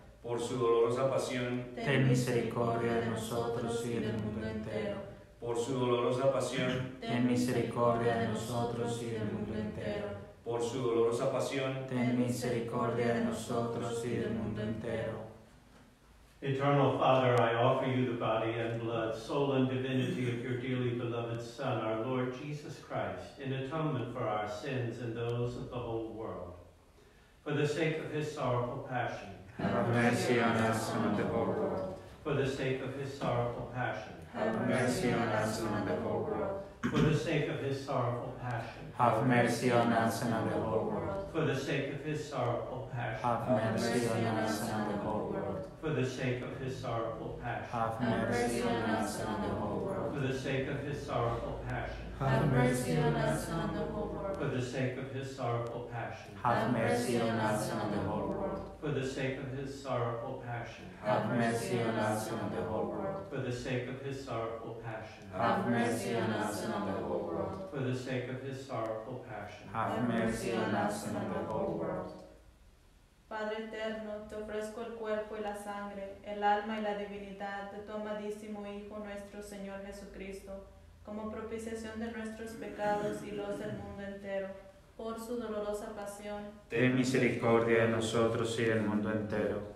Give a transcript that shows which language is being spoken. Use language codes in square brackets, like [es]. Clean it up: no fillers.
[es] Por su dolorosa pasión, ten misericordia de nosotros y del mundo entero. Por su dolorosa pasión, ten misericordia de nosotros y del mundo entero. Por su dolorosa pasión, ten misericordia de nosotros y del mundo entero. [en] Eternal Father, I offer you the body and blood, soul and divinity of your dearly beloved Son, our Lord Jesus Christ, in atonement for our sins and those of the whole world. For the sake of his sorrowful passion, have mercy on us and the whole world. For the sake of his sorrowful passion, have mercy on us and the whole world. For the sake of his sorrowful passion, have mercy on us and the whole world. For the sake of his sorrowful passion, have mercy on us and the whole world. For the sake of his sorrowful passion, have mercy on us and the whole world. For the sake of his sorrowful passion, have mercy on us and the whole world. For the sake of his sorrowful passion, have mercy on us and the whole world. For the sake of his sorrowful passion, have mercy on us and the whole world. For the sake of his sorrowful passion, have mercy on us and the whole world. For the sake of his sorrowful passion, have mercy on us and the whole world. [es] Padre eterno, te ofrezco el cuerpo y la sangre, el alma y la divinidad de tu amadísimo Hijo nuestro Señor Jesucristo, como propiciación de nuestros pecados y los del mundo entero. Por su dolorosa pasión, ten misericordia de nosotros y del mundo entero.